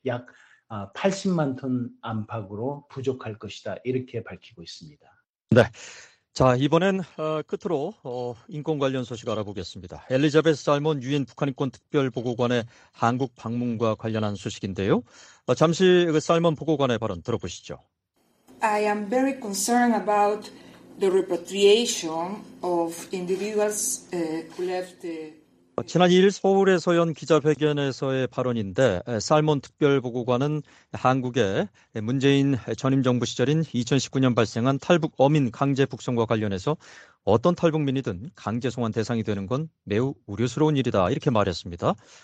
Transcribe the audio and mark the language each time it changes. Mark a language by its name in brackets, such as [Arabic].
[Korean] 약 80만 톤 안팎으로 부족할 것이다. 이렇게 밝히고 있습니다. 네. 자, 이번엔 끝으로 인권 관련 소식 알아보겠습니다. 엘리자베스 살몬 유엔 북한인권특별보고관의 한국 방문과 관련한 소식인데요. 잠시 그 살몬 보고관의 발언 들어보시죠. [English] I am very concerned about the repatriation of individuals who left the [Korean] 지난 2일 서울에서 연 기자회견에서의 발언인데, 살몬 특별보고관은 한국의 문재인 전임 정부 시절인 2019년 발생한 탈북 어민 강제 북송과 관련해서 어떤 탈북민이든 강제 송환 대상이 되는 건 매우 우려스러운 일이다. 이렇게 말했습니다.